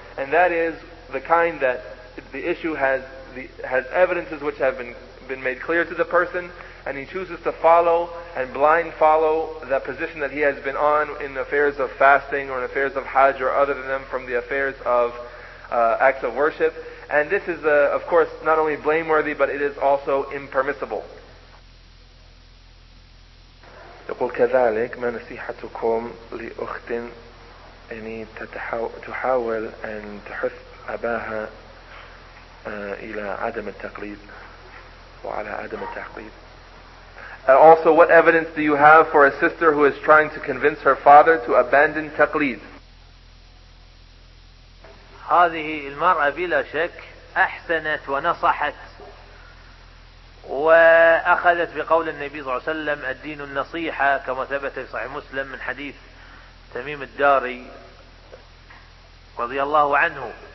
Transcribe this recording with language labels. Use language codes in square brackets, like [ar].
[en] And that is the kind that the issue has evidences which have been made clear to the person, and he chooses to follow and blind follow that position that he has been on in affairs of fasting or in affairs of hajj or other than them from the affairs of acts of worship. And this is, of course, not only blameworthy, but it is also impermissible. [ar] يقول كذلك ما نصيحتكم لأخت يعني تحاول أن تحث أباها إلى عدم التقليد وعلى عدم التقليد. [en] Also, what evidence do you have for a sister who is trying to convince her father to abandon taqlid? [ar] هذه المرأة بلا شك أحسنت ونصحت وأخذت بقول النبي صلى الله عليه وسلم الدين النصيحة كما ثبت في صحيح مسلم من حديث تميم الداري رضي الله عنه.